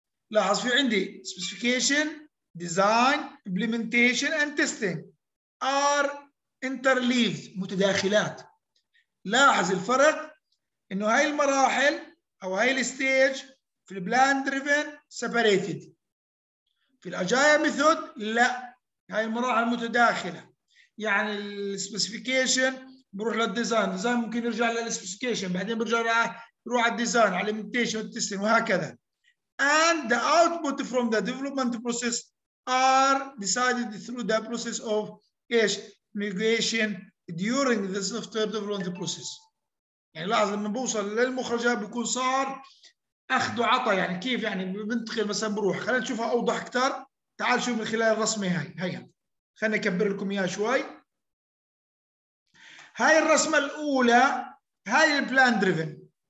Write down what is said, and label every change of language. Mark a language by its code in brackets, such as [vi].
[ar] لاحظ في عندي [en] specification, design, implementation and testing are interleaved [ar] متداخلات. لاحظ الفرق انه هاي المراحل او هاي الستيج في البلان دريفن separated في الاجايا ميثود لا، هاي المراحل المتداخله، يعني السبيسيفيكيشن بروح للديزاين، ديزاين ممكن يرجع للسبيسيفيكيشن، بعدين برجع بروح على الديزاين على الامبلمنتيشن والتستنج وهكذا. [en] And the output from the development process are decided through the process of migration during the software development process. [ar] يعني لاحظ لما بوصل للمخرجه بيكون صار اخذ وعطى، يعني كيف يعني بنتقل مثلا بروح، خلينا نشوفها اوضح اكثر، تعال شوف من خلال الرسمه هاي، هيا خلينا نكبر لكم اياها شوي. هاي الرسمه الاولى هاي البلان دريفن.